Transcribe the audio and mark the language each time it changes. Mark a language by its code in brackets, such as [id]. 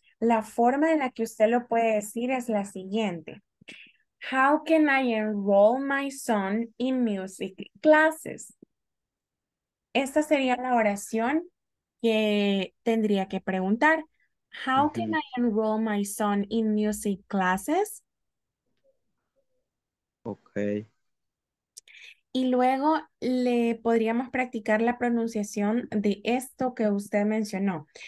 [es] La forma en la que usted lo puede decir es la siguiente. [en] How can I enroll my son in music classes? [es] Esta sería la oración que tendría que preguntar. [en] How can I enroll my son in music classes? Okay. [es] Y luego le podríamos practicar la pronunciación de esto que usted mencionó.